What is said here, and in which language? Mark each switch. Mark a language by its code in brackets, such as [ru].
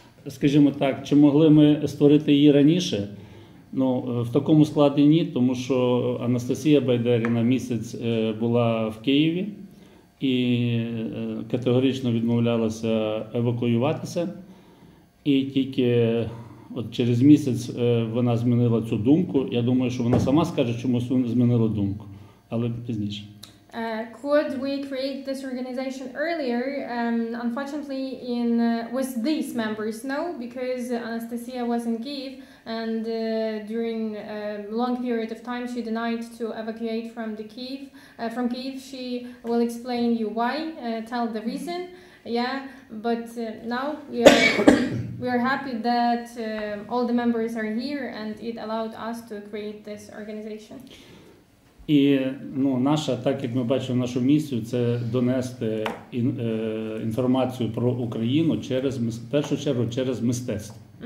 [uk] Скажімо так, чи могли ми створити її раніше? Ну, в такому складі ні, тому що Анастасія Байдаріна місяць була в Києві і категорично відмовлялася евакуюватися. І тільки от через місяць вона змінила цю думку. Я думаю, що вона сама скаже, чому змінила думку, але пізніше. [en] Could we create this organization earlier? Unfortunately, in with these members, no, because Anastasia was in Kyiv, and during a long period of time, she denied to evacuate from the Kyiv. From Kyiv, she will explain you why, tell the reason. Yeah, but now we are happy that all the members are here, and it allowed us to create this organization. [uk] І, ну, наша, так як ми бачимо нашу місію, це донести інформацію про Україну через, в першу чергу, через мистецтво.